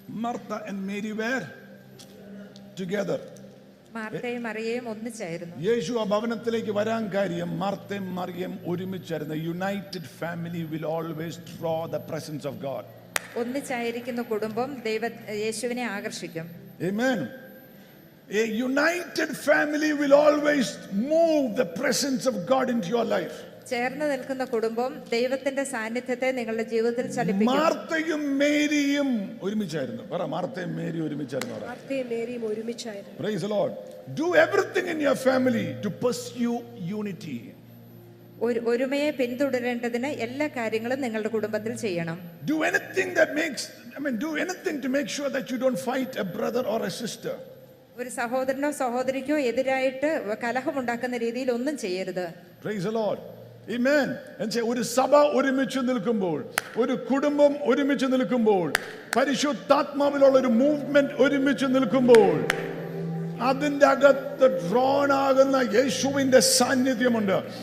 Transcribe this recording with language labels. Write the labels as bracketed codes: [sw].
[en] Martha and Mary were together. [ml] മാർത്തയും മറിയയും ഒന്നിച്ചായിരുന്നു. യേശു ആ ഭവനത്തിലേക്ക് വരാൻ കാര്യം മാർത്തയും മറിയയും ഒരുമിച്ചായിരുന്നു. [en] United family will always draw the presence of God. [ml] ഒന്നിച്ചായിരിക്കുന്ന കുടുംബം യേശുവിനെ ആകർഷിക്കും. [en] Amen. A united family will always move the presence of God into your life. [ml] ചേർന്ന് നിൽക്കുന്ന കുടുംബം ദൈവത്തിന്റെ സാന്നിധ്യത്തെ നിങ്ങളുടെ ജീവിതത്തിൽ ചലിപ്പിക്കും. മാർത്തയും മേരിയും ഒരുമിച്ചായിരുന്നു. പറ, മാർത്തയും മേരിയും ഒരുമിച്ചായിരുന്നു. [en] Praise the lord. Do everything in your family to pursue unity. [ml] ഒരുമയെ പിന്തുടരേണ്ടതിന് എല്ലാ കാര്യങ്ങളും നിങ്ങളുടെ കുടുംബത്തിൽ ചെയ്യണം. [en] Do anything that makes, do anything to make sure that you don't fight a brother or a sister. [ml] ഒരു സഹോദരനോ സഹോദരിക്കോ എതിരായിട്ട് കലഹം ഉണ്ടാക്കുന്ന രീതിയിൽ ഒന്നും ചെയ്യരുത്. [en] Praise the Lord. Amen. [ml] എന്നുവെച്ചാൽ ഒരു സഭ ഒരുമിച്ച് നിൽക്കുമ്പോൾ, ഒരു കുടുംബം ഒരുമിച്ച് നിൽക്കുമ്പോൾ, പരിശുദ്ധാത്മാവിലുള്ള ഒരു മൂവ്മെന്റ് ഒരുമിച്ച് നിൽക്കുമ്പോൾ, അതിന്റെ അകത്ത് ഡ്രോൺ ആകുന്ന യേശുവിന്റെ സാന്നിധ്യമുണ്ട്.